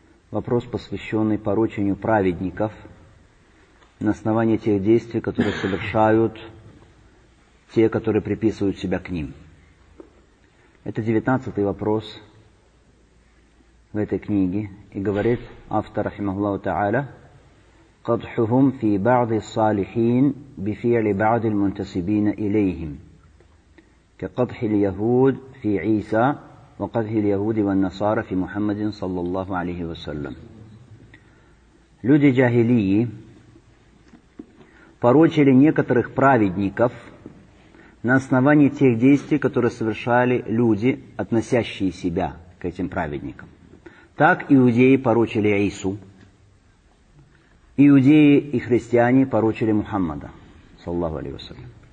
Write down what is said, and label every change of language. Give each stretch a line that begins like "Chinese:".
Russian: Вопрос, посвященный порочению праведников на основании тех действий, которые совершают те, которые приписывают себя к ним. Это 19-й вопрос в этой книге. И говорит автор,
Arabic: рахимахуллаху та'аля, قدحهم في بعض الصالحين بفعل بعض المنتسبين إليهم كقدح اليهود في عيسى وقدح اليهود والنصارى في محمد صلى الله عليه وسلم.
Russian: Люди Джахилии порочили некоторых праведников на основании тех действий, которые совершали люди, относящие себя к этим праведникам. Так иудеи порочили Иису, иудеи и христиане порочили Мухаммада, саллаллаху алейхи ва саллям.